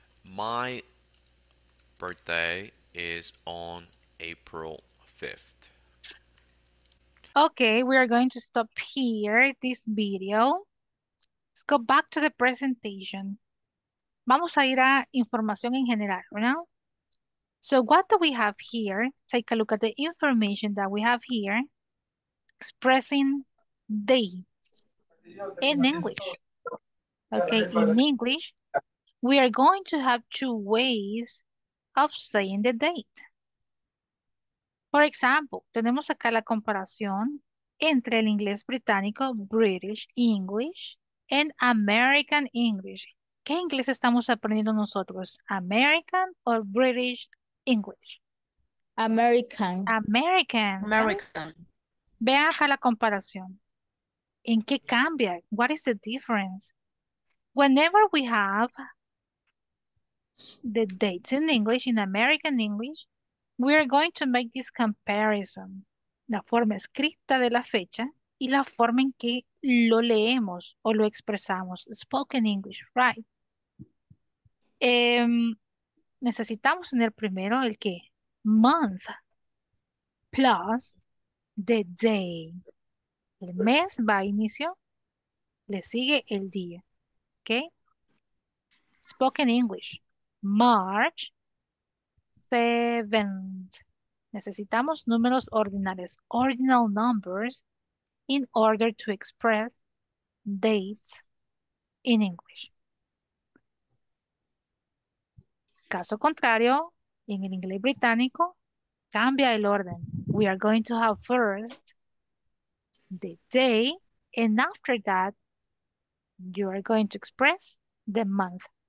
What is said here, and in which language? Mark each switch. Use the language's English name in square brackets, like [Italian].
[English] My birthday is on April 5th. Okay, we are going to stop here, this video. Let's go back to the presentation. [Spanish] Vamos a ir a información en general, ¿verdad? [English] So what do we have here? Take a look at the information that we have here. Expressing dates in English. Okay, in English, we are going to have two ways of saying the date. For example, [Spanish] tenemos acá la comparación entre el inglés británico, [English] British English, and American English. [Spanish] ¿Qué inglés estamos aprendiendo nosotros? ¿American o British English? [English] American. American. American. [Spanish] Vean acá la comparación. ¿En qué cambia? [English] What is the difference? Whenever we have the dates in English, in American English, we are going to make this comparison. [Spanish] La forma escrita de la fecha y la forma en que lo leemos o lo expresamos. [English] Spoken English, right? [Spanish] Necesitamos tener primero el que [English] month plus the day. [Spanish] El mes va a inicio, le sigue el día. [English] Okay? Spoken English. March 7th. [Spanish] Necesitamos números ordinales, [English] ordinal numbers, in order to express dates in English. [Spanish] Caso contrario, en el inglés británico, cambia el orden. [English] We are going to have first the day, and after that, you are going to express the month.